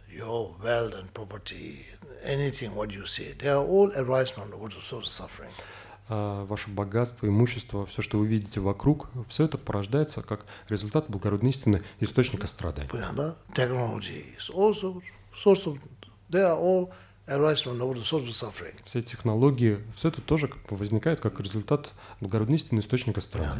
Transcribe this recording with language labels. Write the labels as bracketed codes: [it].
[en] Your wealth and property, anything what you say, they are all arise from the source of suffering. [ru] Ваше богатство, имущество, все, что вы видите вокруг, все это порождается как результат благородной истины источника страданий. Понятно? [en] Technology is also source of, they are all arise from the source of suffering. [ru] Все технологии, все это тоже возникает как результат благородной истины источника страданий.